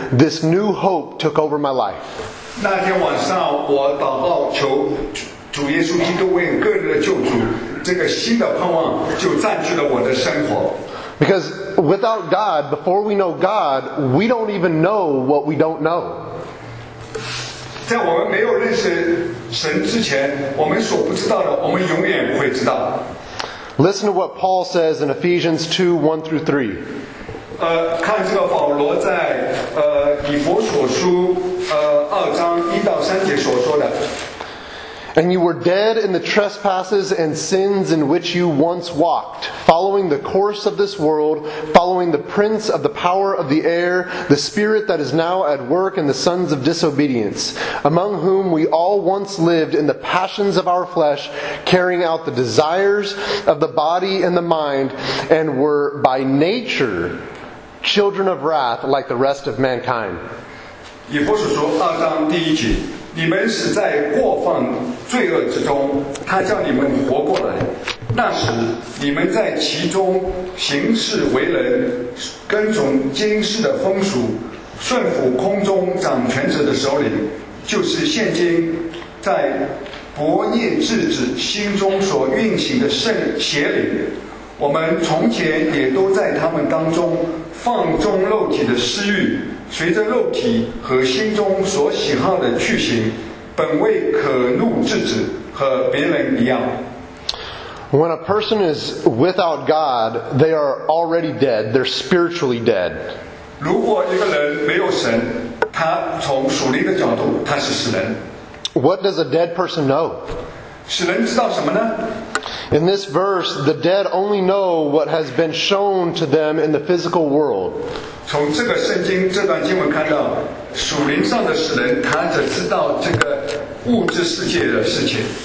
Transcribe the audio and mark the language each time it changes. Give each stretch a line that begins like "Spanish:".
English: This new hope took over my life. Because without God, before we know God, we don't even know what we don't know. In Listen to what Paul says in Ephesians 2, 1 through 3.
Chinese: 看这个保罗在以弗所书二章一到三节所说的。
English: And you were dead in the trespasses and sins in which you once walked, following the course of this world, following the prince of the power of the air, the spirit that is now at work in the sons of disobedience, among whom we all once lived in the passions of our flesh, carrying out the desires of the body and the mind, and were by nature children of wrath like the rest of mankind.
Chinese: 以弗所书二章第一节。你们是在过犯罪恶之中，他叫你们活过来。那时你们在其中行事为人，跟从今世的风俗，顺服空中掌权者的首领，就是现今在勃逆之子心中所运行的圣邪灵。我们从前也都在他们当中放纵肉体的私欲，随着肉体和心中所喜好的去行，本为可怒之子，和别人一样。
English: When a person is without God, they are already dead. They're spiritually dead.
Chinese: 如果一个人没有神，他从属灵的角度，他是死人。
English: What does a dead person know?
Chinese: 死人知道什么呢？
English: In this verse, the dead only know what has been shown to them in the physical world.
Chinese: 从这个圣经这段经文看到，属灵上的死人，他只知道这个物质世界的事情。